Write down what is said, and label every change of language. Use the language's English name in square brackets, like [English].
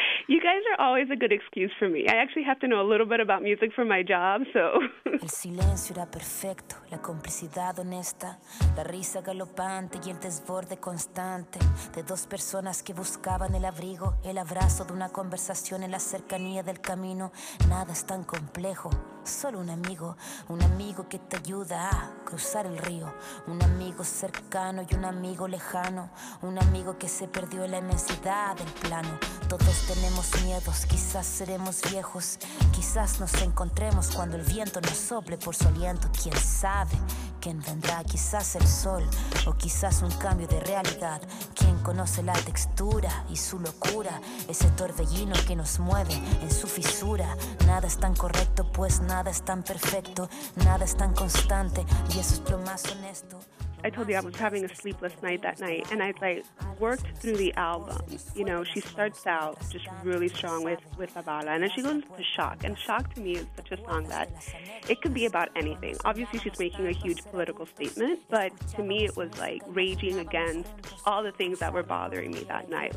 [English] You guys are always a good excuse for me. I actually have to know a little bit about music for my job, so. [Spanish] El silencio era perfecto, la complicidad honesta, la risa galopante y el desborde constante de dos personas que buscaban el abrigo, el abrazo de una conversación en la cercanía del camino. Nada es tan complejo, solo un amigo que te ayuda a cruzar el río, un amigo cercano y un amigo lejano, un amigo que se perdió en la inmensidad del plano. Todos tenemos miedos, quizás seremos viejos, quizás nos encontremos cuando el viento nos sople por su aliento. Quién sabe quién vendrá, quizás el sol o quizás un cambio de realidad. Quién conoce la textura y su locura, ese torbellino que nos mueve en su fisura. Nada es tan correcto, pues nada es tan perfecto, nada es tan constante, y eso es lo más honesto. [English] I told you I was having a sleepless night that night, and I like worked through the album. You know, she starts out just really strong with Avala, and then she goes to Shock. And Shock to me is such a song that it could be about anything. Obviously, she's making a huge political statement, but to me, it was like raging against all the things that were bothering me that night.